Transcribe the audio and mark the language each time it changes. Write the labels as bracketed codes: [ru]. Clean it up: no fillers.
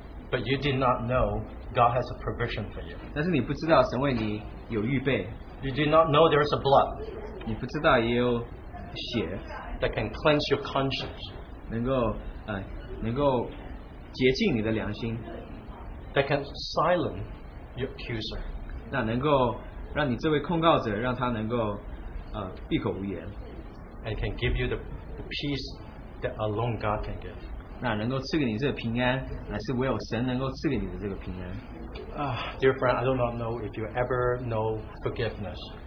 [en] But you did not know God has a provision for you. [zh] 但是你不知道神为你有预备。 [en] You did not know there is a blood. [zh] 你不知道也有血。 [en] That can cleanse your conscience. [zh] 能够洁净你的良心。 [en] That can silence your accuser. [zh] 那能够让你这位控告者让他能够闭口无言。 [en] And can give you the peace that alone God can give. [zh] 那能够赐给你这个平安,还是唯有神能够赐给你的这个平安。 [en] Dear friend, I do not know if you ever know forgiveness.